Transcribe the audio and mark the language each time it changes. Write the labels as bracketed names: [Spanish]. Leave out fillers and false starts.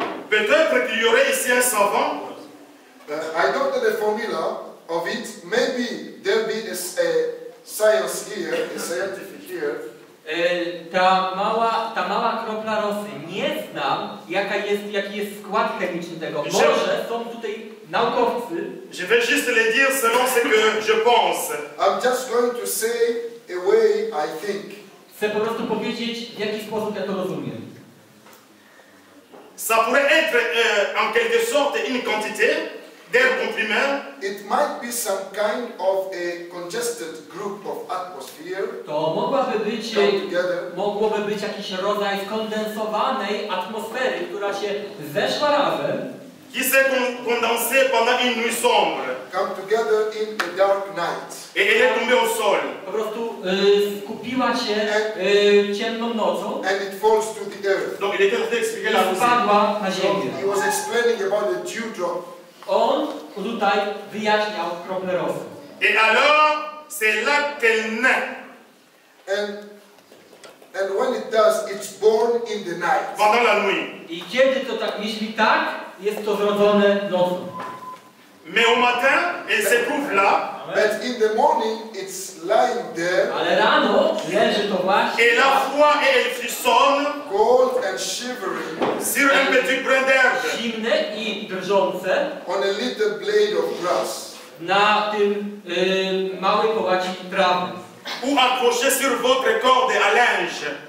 [French] Peut-être qu'il y aurait ici un savant. [English] I don't know the formula of it. Maybe there'll be a science here, a scientific here. [Polish] Ta mała kropla rosy. Nie znam, jaki jest skład chemiczny tego. Może są tutaj naukowcy. [French] Je vais juste le dire selon ce que je pense. [English] I'm just going to say a way I think. [Polish] Chcę po prostu powiedzieć, w jaki sposób ja to rozumiem. [French] Ça pourrait être en quelque sorte une quantité d'air comprimé. [English] It might be some kind of a congested group of atmosphere. [Polish] To mogłoby być jakiś rodzaj skondensowanej atmosfery, która się zeszła razem. [French] Qui s'est condensé pendant une nuit sombre. [English] Come together in a dark night. [French] Et elle est tombée au sol. [Polish] Po prostu skupiła się ciemną nocą. [English] And it falls to the earth. [French] Donc il était en train d'expliquer la rosée. [Polish] Spadła na ziemię. [English] He was explaining about the dewdrop. [Polish] On tutaj wyjaśniał krople rosy. [French] Et alors, c'est là qu'elle naît. [English] And when it does, it's born in the night. [French] Pendant la nuit. [Polish] I kiedy to tak, jeśli tak, jest to zrodzone nocą. [French] Mais au matin, elle se trouve là. [English] But in the morning, it's lying there. [Polish] Ale rano leży to właśnie. [French] Et la froid et elle frissonne. [English] Cold and shivering. [French] Sur un petit brin d'herbe. [Polish] Zimne i drżące. [English] On a little blade of grass. [Polish] Na tym małej powaci trawy. [French] Ou accroché sur votre corde à linge.